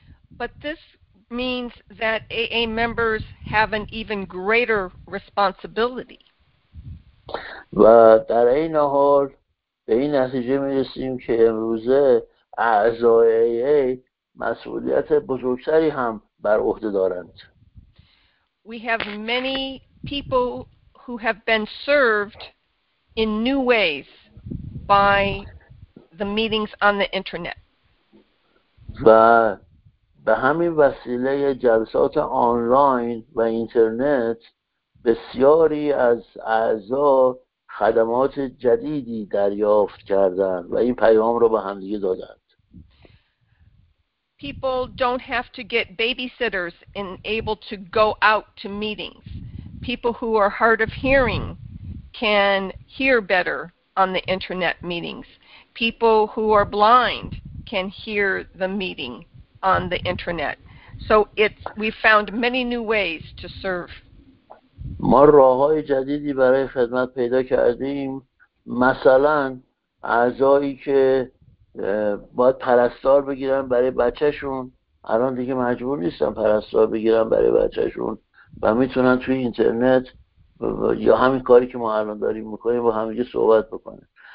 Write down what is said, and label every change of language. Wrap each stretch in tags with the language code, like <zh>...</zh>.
<en>But this means that AA members have an even greater responsibility.</en> <fa>و در این حال به این نتیجه میرسیم که امروزه اعضای AA مسئولیت بزرگتری هم بر عهده دارند.</fa> <en>We have many people who have been served in new ways by the meetings on the internet.</en> <fa>و به همین وسیله جلسات آنلاین و اینترنت بسیاری از اعضا خدمات جدیدی دریافت کردند و این پیام رو به هم دیگه دادند.</fa> <en>People don't have to get babysitters and able to go out to meetings. People who are hard of hearing can hear better on the internet meetings. People who are blind can hear the meeting on the internet. So we found many new ways to serve.</en> <fa>ما راه‌های جدیدی برای خدمت پیدا کردیم. مثلا اعضایی که باید پرستار بگیرن برای بچهشون الان دیگه مجبور نیستن پرستار بگیرن برای بچهشون و میتونن توی اینترنت یا همین کاری که ما الان داریم میکنیم با همدیگه صحبت بکنن.</fa>